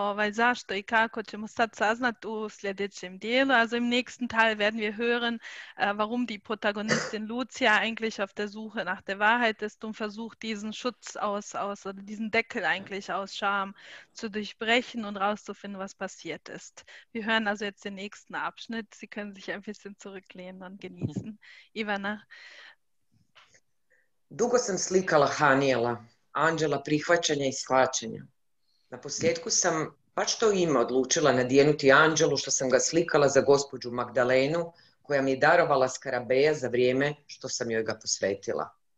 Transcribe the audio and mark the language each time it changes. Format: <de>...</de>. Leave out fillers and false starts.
<hr>Zašto i kako ćemo sad saznati u sljedećem dijelu.</hr> <de>Also im nächsten Teil werden wir hören, warum die Protagonistin Lucia eigentlich auf der Suche nach der Wahrheit ist und versucht diesen Schutz aus oder diesen Deckel eigentlich aus Scham zu durchbrechen und rauszufinden, was passiert ist. Wir hören also jetzt den nächsten Abschnitt. Sie können sich ein bisschen zurücklehnen und genießen. Ivana.</de> <hr>Dugo sam slikala Hanijela, anđela prihvaćanja i shvaćanja. Na posljedku sam baš to ime odlučila nadijenuti anđelu što sam ga slikala za gospođu Magdalenu koja mi je darovala skarabeja za vrijeme što sam joj ga posvetila.</hr>